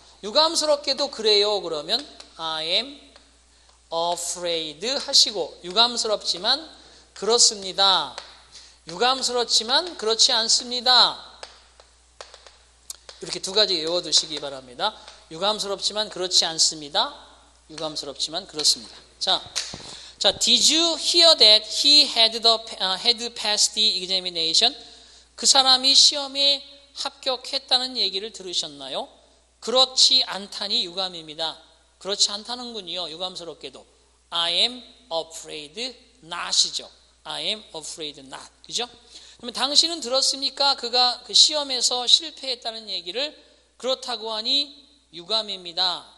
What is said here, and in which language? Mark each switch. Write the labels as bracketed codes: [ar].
[ko] 유감스럽게도 그래요. 그러면 [en] I am afraid [ko] 하시고 유감스럽지만 그렇습니다. 유감스럽지만 그렇지 않습니다. 이렇게 두 가지 외워두시기 바랍니다. 유감스럽지만 그렇지 않습니다. 유감스럽지만 그렇습니다. [en] 자, Did you hear that he had the had passed the examination? [ko] 그 사람이 시험에 합격했다는 얘기를 들으셨나요? 그렇지 않다니 유감입니다. 그렇지 않다는군요. 유감스럽게도 [en] I am afraid not [ko] 이죠. [en] I am afraid not. [ko] 그죠? 그러면 당신은 들었습니까? 그가 그 시험에서 실패했다는 얘기를 그렇다고 하니 유감입니다.